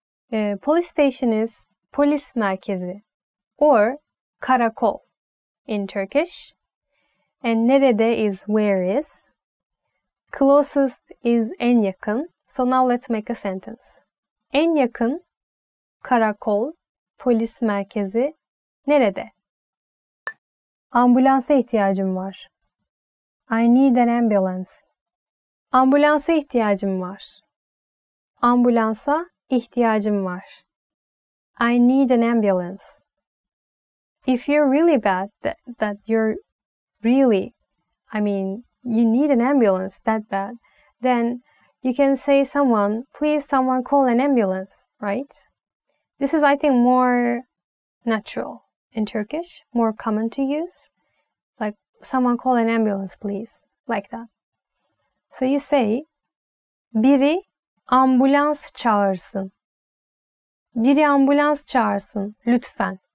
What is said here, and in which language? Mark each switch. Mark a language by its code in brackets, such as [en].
[en] Police station is polis merkezi or karakol in Turkish. And nerede is where is. Closest is en yakın. So now let's make a sentence. [tr] En yakın karakol polis merkezi nerede? Ambulansa ihtiyacım var. [en] I need an ambulance. [tr] Ambulansa ihtiyacım var. Ambulansa ihtiyacım var. [en] I need an ambulance. If you're really bad, that you're really, I mean, you need an ambulance that bad, then you can say someone, please someone call an ambulance, right? This is, I think, more natural in Turkish, more common to use. Like, someone call an ambulance, please, like that. So you say, [tr] biri ambulans çağırsın. Biri ambulans çağırsın, lütfen.